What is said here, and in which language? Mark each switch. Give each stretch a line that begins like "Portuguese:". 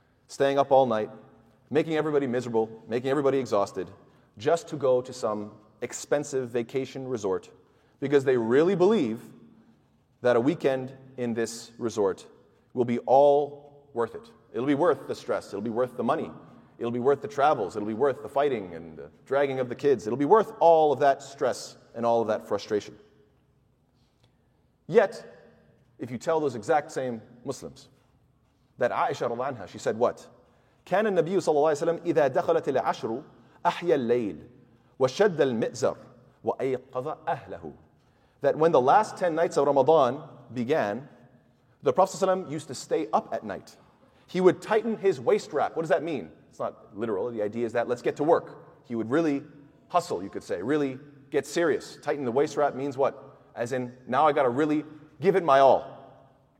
English: Staying up all night, making everybody miserable, making everybody exhausted, just to go to some expensive vacation resort because they really believe that a weekend in this resort will be all worth it. It'll be worth the stress. It'll be worth the money. It'll be worth the travels. It'll be worth the fighting and the dragging of the kids. It'll be worth all of that stress and all of that frustration. Yet, if you tell those exact same Muslims that Aisha radhiyallahu anha, she said what?
Arabic: كان النبي صلى الله عليه وسلم إذا دخلت العشر أحيى الليل وشد المئزر وأيقظ أهله.
English: That when the last 10 nights of Ramadan began, the Prophet ﷺ used to stay up at night. He would tighten his waist wrap. What does that mean? It's not literal. The idea is that let's get to work. He would really hustle, you could say, really get serious. Tighten the waist wrap means what? As in, now I got to really give it my all.